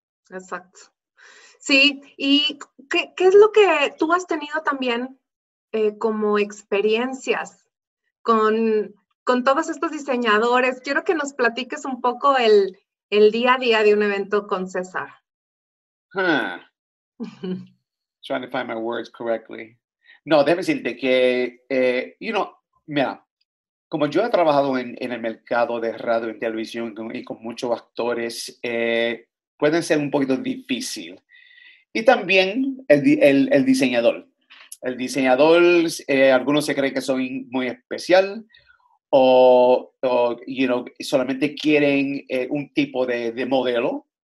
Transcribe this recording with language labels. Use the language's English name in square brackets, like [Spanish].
[Spanish] Exacto. Sí, y ¿qué es lo que tú has tenido también como experiencias con todos estos diseñadores? Quiero que nos platiques un poco el día a día de un evento con César. [English] Trying to find my words correctly. [Spanish] No, déjame decirte que, mira, como yo he trabajado en el mercado de radio y televisión y con muchos actores, pueden ser un poquito difícil. Y también el diseñador. El diseñador, algunos se creen que son muy especial o solamente quieren un tipo de modelo.